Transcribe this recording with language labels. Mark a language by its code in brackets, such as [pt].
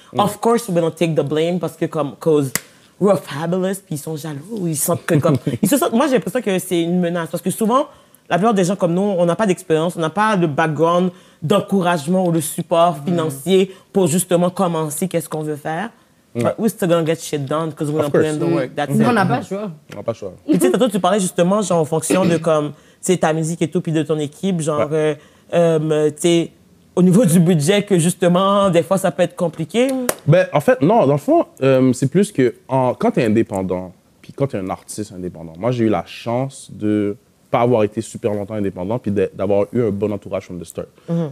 [en] Of course, we don't take the blame [fr] parce que comme [en] cause we're fabulous, [fr] puis ils sont jaloux. Ils sentent que comme... ils se sentent... Moi, j'ai l'impression que c'est une menace parce que souvent, la plupart des gens comme nous, on n'a pas d'expérience, on n'a pas de background d'encouragement ou de support financier pour justement commencer qu'est-ce qu'on veut faire. Mais [en] we're still gonna get shit done because we're putting the work. That's it. [fr] On n'a pas le choix. On n'a pas le choix. Tu sais, tantôt, tu parlais justement, genre, en fonction de comme, tu sais, ta musique et tout, puis de ton équipe, genre, tu sais, au niveau du budget, que justement, des fois, ça peut être compliqué. Ben, en fait, non, dans le fond, c'est plus que quand t'es indépendant, puis quand t'es un artiste indépendant, moi, j'ai eu la chance de pas avoir été super longtemps indépendant, puis d'avoir eu un bon entourage [en] from the start. [fr] Mm-hmm.